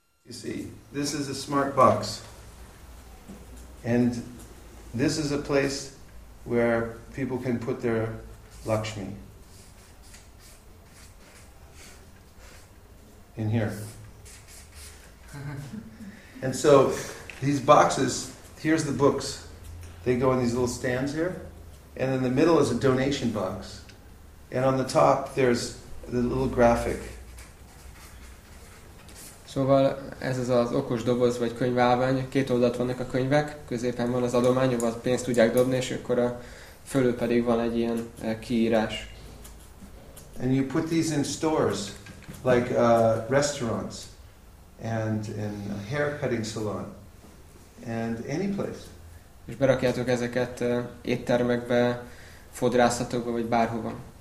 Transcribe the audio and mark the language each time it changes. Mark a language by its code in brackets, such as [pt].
[en] See, this is a smart box, and this is a place where people can put their Lakshmi in here. And so these boxes, here's the books, they go in these little stands here, and in the middle is a donation box, and on the top there's the little graphic. [hu] Szóval ez az az okos doboz vagy könyvállvány, két oldalt vannak a könyvek, középen van az adomány, ahol pénzt tudják dobni, és akkor a fölül pedig van egy ilyen kiírás. [en] And you put these in stores, like restaurants, and in a hair cutting salon, and any place. [hu] És berakjátok ezeket éttermekbe, fodrászatokba, vagy bárhova.